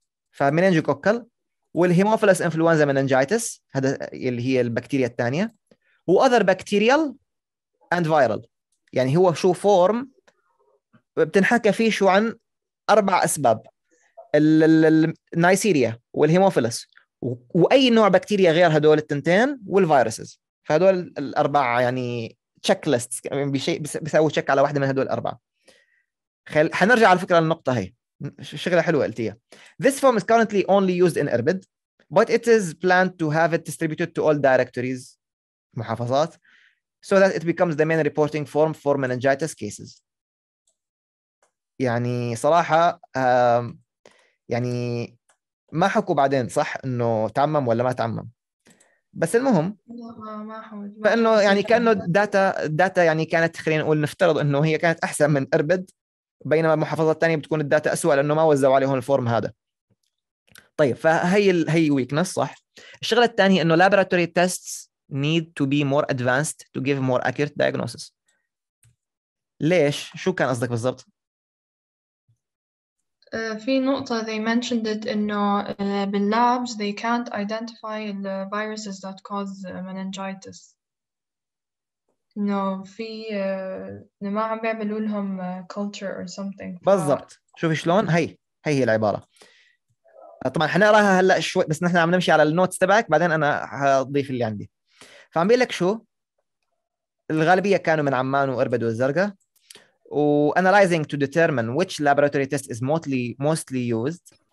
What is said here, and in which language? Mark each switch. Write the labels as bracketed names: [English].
[Arabic] فمننجوكوكل والهيموفيلس انفلونزا meningitis هذا يلي هي البكتيريا الثانية و [English] other bacterial and viral [Arabic] يعني هو شو فورم بتنحكى فيه شو عن اربع اسباب النايسيريا والهيموفيلس واي نوع بكتيريا غير هدول التنتين والفيروسز فهدول الاربعه يعني تشيك ليست بشيء بيسوي تشيك على واحده من هدول الاربعه. حنرجع على فكره النقطه هي شغله حلوه قلتيها. [English] This form is currently only used in IRBD but it is planned to have it distributed to all directories [Arabic] محافظات [English] so that it becomes the main reporting form for meningitis cases. [Arabic] يعني صراحة يعني ما حكوا بعدين صح إنه تعمم ولا ما تعمم بس المهم لا ما حكوا فإنه يعني كأنه الداتا يعني كانت خلينا نقول نفترض إنه هي كانت أحسن من إربد بينما المحافظة الثانية بتكون الداتا أسوأ لأنه ما وزعوا عليهم الفورم هذا. طيب فهي ويكنس صح. الشغلة الثانية إنه [English] laboratory tests need to be more advanced to give more accurate diagnosis. [Arabic] ليش؟ شو كان قصدك بالضبط؟ في نقطة [English] they mentioned it [Arabic] إنه باللابز [English] they can't identify the viruses that cause meningitis. [Arabic] إنه في ما عم بيعملوا لهم [English] culture or something. [Arabic] بالضبط. شوف شلون هي العبارة. طبعا حنقراها هلا شوي بس نحن عم نمشي على النوتس تبعك بعدين انا هضيف اللي عندي. فعم بيقول لك شو الغالبيه كانوا من عمان واربد والزرقاء و [English] analyzing to determine which laboratory test is mostly used.